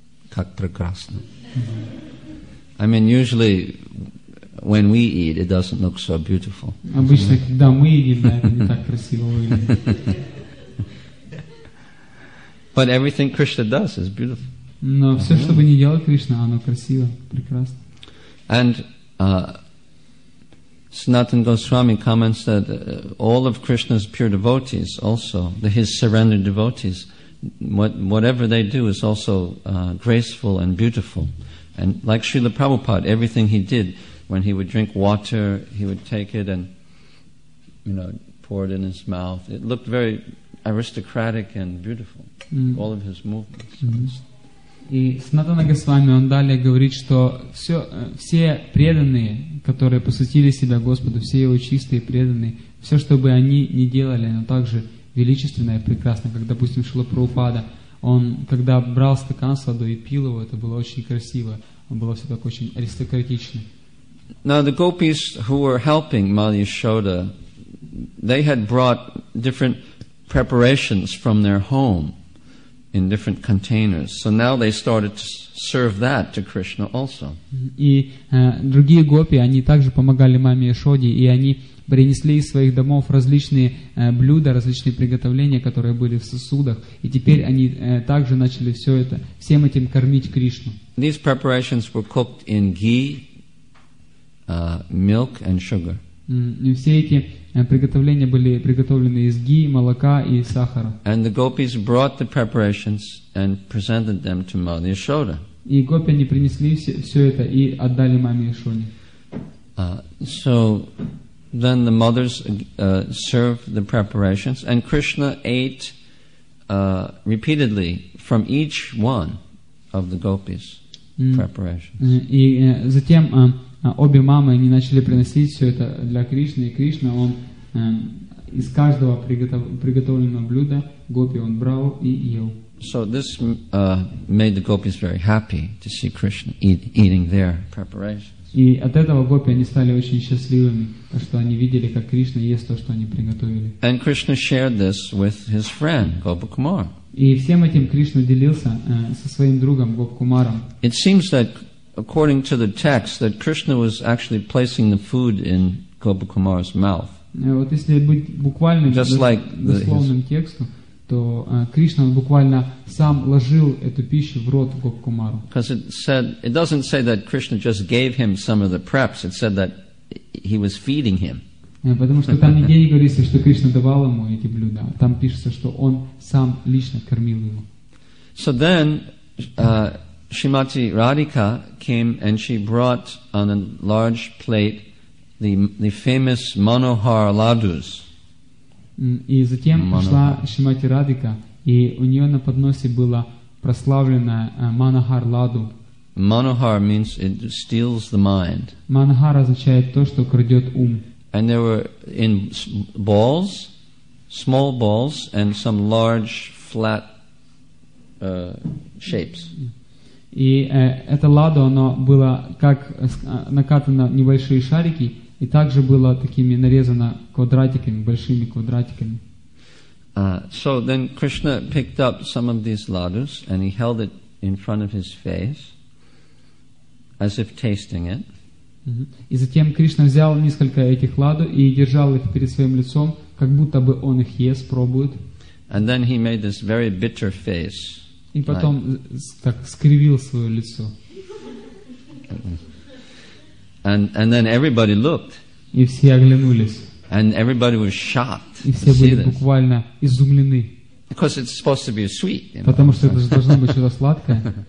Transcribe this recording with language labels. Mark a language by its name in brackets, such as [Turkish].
[Russian] Как прекрасно. [English] I mean, usually, when we eat, it doesn't look so beautiful. [Russian] Обычно, когда мы едим, это не так красиво выглядит. [English] But everything Krishna does is beautiful. [Russian] Но все, что бы ни делал Кришна, оно красиво, прекрасно. [English] And Sanatan Goswami comments that all of Krishna's pure devotees also, his surrendered devotees, whatever they do is also graceful and beautiful. And like Srila Prabhupada, everything he did, when he would drink water, he would take it and, you know, pour it in his mouth. It looked very aristocratic and beautiful, all of his movements. [Russian] И Санатана Госвами, он далее говорит, что все преданные, которые посвятили себя Господу, все его чистые преданные, все, что бы они ни делали, оно также величественно и прекрасно, как, допустим, Шрила Прабхупада. Он, когда брал стакан с водой и пил его, это было очень красиво, он был все так очень аристократично. [English] Now the gopis who were helping Mother Yashoda, they had brought different preparations from their home in different containers. So now they started to serve that to Krishna also. [Russian] И другие гопи, они также помогали маме Яшоде, и они принесли из своих домов различные блюда, различные приготовления, которые были в сосудах, и теперь они также начали всем этим кормить Кришну. [English] These preparations were cooked in ghee, milk and sugar. [Russian] И все эти приготовления были приготовлены из ги, молока и сахара. [English] And the gopis brought the preparations and presented them to Mother Yashoda. [Russian] И гопи, они принесли все это и отдали маме Яшоде. [English] So then the mothers served the preparations, and Krishna ate repeatedly from each one of the gopis' preparations. [Russian] И затем обе мамы, они начали приносить все это для Кришны, и Кришна, он из каждого приготовленного блюда гопи, он брал и ел. [English] So this made the gopis very happy to see Krishna eating their preparations. [Russian] И от этого гопи, они стали очень счастливыми, что они видели, как Кришна ест то, что они приготовили. [English] And Krishna shared this with his friend, Gopakumar. [Russian] И всем этим Кришна делился со своим другом Гопакумаром. [English] It seems that according to the text, that Krishna was actually placing the food in Gopakumar's mouth. [Russian] Вот если быть буквальным, дословным текстом, то Кришна буквально сам ложил эту пищу в рот Гопакумару. [English] Because it doesn't say that Krishna just gave him some of the preps. It said that he was feeding him. [Russian] Потому что там нигде не говорится, что Кришна давал ему эти блюда. Там пишется, что он сам лично кормил его. [English] So then Shrimati Radhika came and she brought on a large plate the famous Manohar Ladus. [Russian] И затем пришла Шримати Радика, и у нее на подносе было прославленное Манохар Ладу. [English] Manohar means it steals the mind. [Russian] Манохар означает то, что крадет ум. [English] And there were in balls, small balls, and some large flat shapes. [Russian] И это ладу, оно было как накатано небольшие шарики, и также было такими нарезано квадратиками, большими квадратиками. [English] So then Krishna picked up some of these ladus and he held it in front of his face as if tasting it. [Russian] И затем Кришна взял несколько этих ладу и держал их перед своим лицом, как будто бы он их ест, пробует. [English] And then he made this very bitter face. [Russian] И потом так скривил свое лицо. [English] And then everybody looked. [Russian] И все оглянулись. [English] And everybody was shocked. [Russian] И все были буквально изумлены. [English] Because it's supposed to be sweet. [Russian] Потому что это должно быть что-то сладкое.